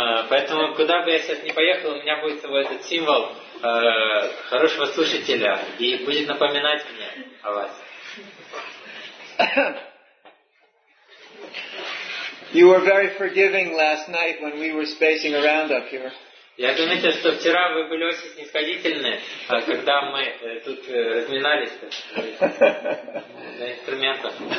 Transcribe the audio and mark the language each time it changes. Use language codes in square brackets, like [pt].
[ru] Поэтому, куда бы я сейчас ни поехал, у меня будет с собой этот символ хорошего слушателя и будет напоминать мне о вас. [en] You were very forgiving last night when we were spacing around up here. [ru] Я заметил, что вчера вы были очень снисходительны, когда мы тут разминались на инструментах.